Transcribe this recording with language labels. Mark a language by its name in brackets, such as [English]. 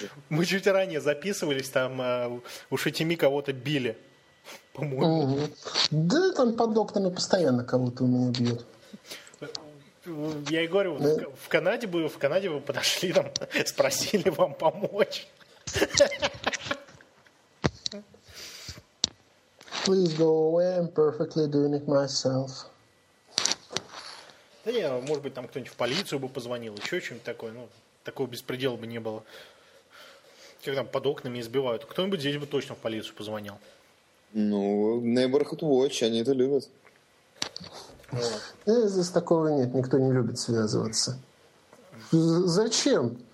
[Russian] Мы чуть ранее записывались, там у Шатими кого-то били, по-моему. Да, там под окнами постоянно кого-то у меня бьют. Я и говорю, в Канаде бы подошли, там спросили вам помочь. [English] Please go away, I'm perfectly doing it myself. [Russian] Да не, может быть, там кто-нибудь в полицию бы позвонил, еще что-нибудь такое, ну, такого беспредела бы не было. Как там под окнами избивают, кто-нибудь здесь бы точно в полицию позвонил. Ну, Neighborhood Watch, они это любят. Вот. Здесь такого нет, никто не любит связываться. Зачем?